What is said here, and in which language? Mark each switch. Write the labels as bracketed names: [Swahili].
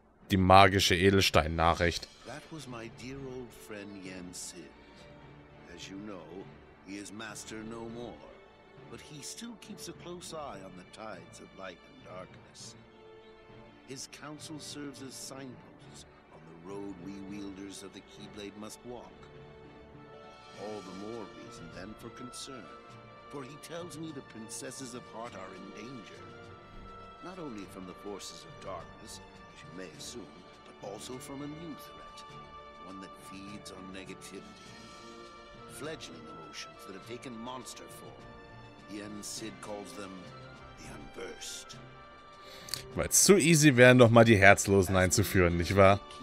[German] Die magische Edelstein-Nachricht. [English] That was my dear old friend Yen Sid. As you know, he is master no more. But he still keeps a close eye on the tides of light and darkness. His counsel serves as signposts on the road we wielders of the Keyblade must walk. All the more reason then for concern, for he tells me the princesses of heart are in danger. Not only from the forces of darkness, as you may assume, but also from a new threat, one that feeds on negativity. Fledgling emotions that have taken monster form. Yen Sid calls them the Unburst. [German] Weil es zu easy wäre, noch mal die Herzlosen einzuführen, nicht wahr?